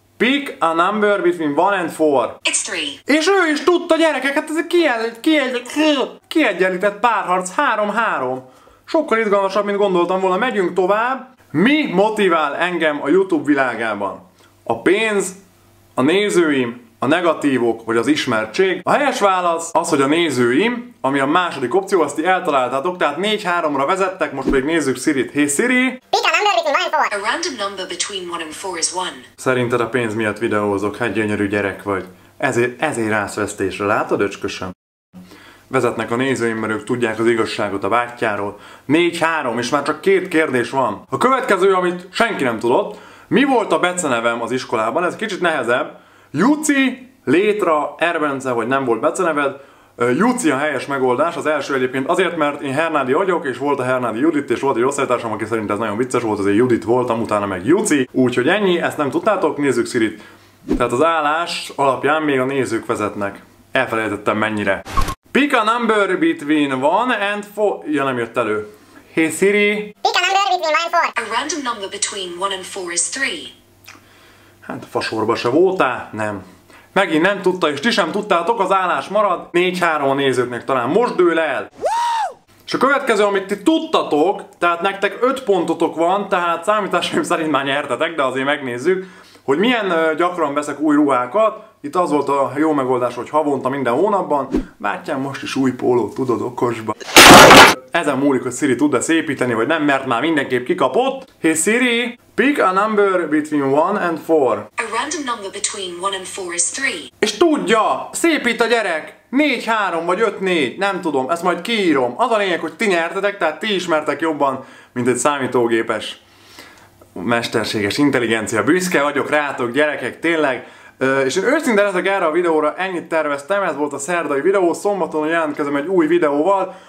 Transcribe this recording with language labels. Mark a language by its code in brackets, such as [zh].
[en] Pick a number between 1 and 4. It's 3. [hu] És ő is tudta, gyerekek, hát ez kiegyenlített párharc, 3-3. Sokkal izgalmasabb, mint gondoltam volna. Megyünk tovább. Mi motivál engem a YouTube világában? A pénz, a nézőim, a negatívok, vagy az ismertség? A helyes válasz az, hogy a nézőim, ami a második opció, azt ti eltaláltátok, tehát 4-3-ra vezettek, most pedig nézzük Sirit. [en] Hey Siri! A random number between 1 and 4 is 1. [hu] Szerinted a pénz miatt videózok, hát gyönyörű gyerek vagy. Ezért rász vesztésre, látod öcskösöm? Vezetnek a nézőim, mert ők tudják az igazságot a bátyjáról. 4-3, és már csak két kérdés van. A következő, amit senki nem tudott. Mi volt a becenevem az iskolában? Ez kicsit nehezebb. Juci, Létra, Erbence, vagy nem volt beceneved. Juci a helyes megoldás, az első egyébként azért, mert én Hernádi vagyok, és volt a Hernádi Judit, és volt egy osztálytársam, aki szerint ez nagyon vicces volt, azért Judit voltam, utána meg Juci. Úgyhogy ennyi, ezt nem tudtátok, nézzük Sirit. Tehát az állás alapján még a nézők vezetnek. Elfelejtettem mennyire. [en] Pick a number between 1 and 4... [hu] Ja, nem jött elő. [en] Hey Siri! Pick a number between 1 and 4. A random number between 1 and 4 is 3. [hu] Hát fasorba se voltál? Nem. Megint nem tudta, és ti sem tudtátok, az állás marad. 4-3 a nézőknek talán. Most dől el! És a következő, amit ti tudtatok, tehát nektek 5 pontotok van, tehát számításaim szerint már nyertetek, de azért megnézzük, hogy milyen gyakran veszek új ruhákat. Itt az volt a jó megoldás, hogy havonta minden hónapban. Bátyám, most is új pólót tudod okosba. Ezen múlik, hogy Siri tud-e szépíteni, vagy nem, mert már mindenképp kikapott. [en] Hey Siri! Pick a number between 1 and 4. A random number between 1 and 4 is 3. [hu] És tudja! Szépít a gyerek! 4-3 vagy 5-4, nem tudom, ezt majd kiírom. Az a lényeg, hogy ti nyertetek, tehát ti ismertek jobban, mint egy számítógépes mesterséges intelligencia. Büszke vagyok rátok, gyerekek, tényleg. És én őszintén ezek erre a videóra ennyit terveztem, ez volt a szerdai videó, szombaton jelentkezem egy új videóval.